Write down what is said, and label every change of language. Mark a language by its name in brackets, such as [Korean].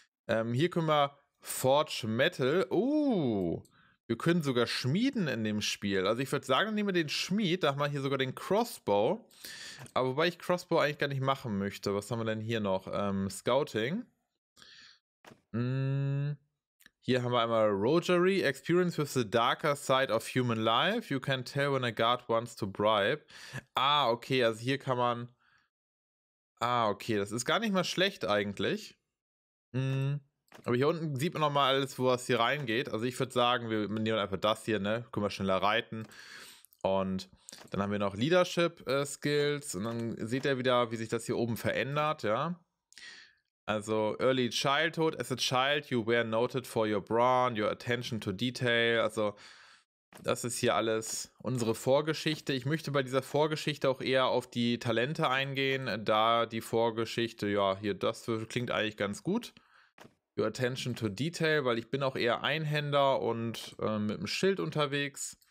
[German] Hier können wir Forge Metal. Wir können sogar schmieden in dem Spiel. Also ich würde sagen, dann nehmen wir den Schmied. Da haben wir hier sogar den Crossbow. Aber wobei ich Crossbow eigentlich gar nicht machen möchte. Was haben wir denn hier noch? Scouting. Hier haben wir einmal Rogery. [English] Experience with the darker side of human life. You can tell when a guard wants to bribe. [German] Ah, okay. Also hier kann man... Ah, okay. Das ist gar nicht mal schlecht eigentlich. Aber hier unten sieht man nochmal alles, wo es hier reingeht. Also ich würde sagen, wir nehmen einfach das hier, ne? Können wir schneller reiten. Und dann haben wir noch Leadership-Skills. Und dann seht ihr wieder, wie sich das hier oben verändert, ja? Also Early Childhood. [English] As a child, you were noted for your brawn, your attention to detail. [German] Also das ist hier alles unsere Vorgeschichte. Ich möchte bei dieser Vorgeschichte auch eher auf die Talente eingehen, da die Vorgeschichte, ja, hier, das klingt eigentlich ganz gut. [English] Your attention to detail, [German] weil ich bin auch eher Einhänder und mit dem Schild unterwegs.